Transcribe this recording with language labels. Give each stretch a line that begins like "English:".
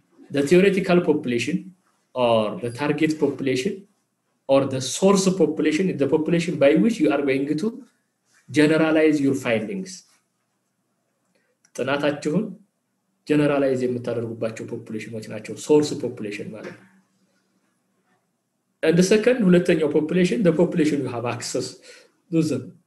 English: The theoretical population or the target population or the source population is the population by which you are going to generalize your findings.
Amharic: ጥናታችሁ generalize የምታደርጉባቸው populationዎች ናቸው source population ማለት.
English: And the second ሁለተኛው population the population you have access to them.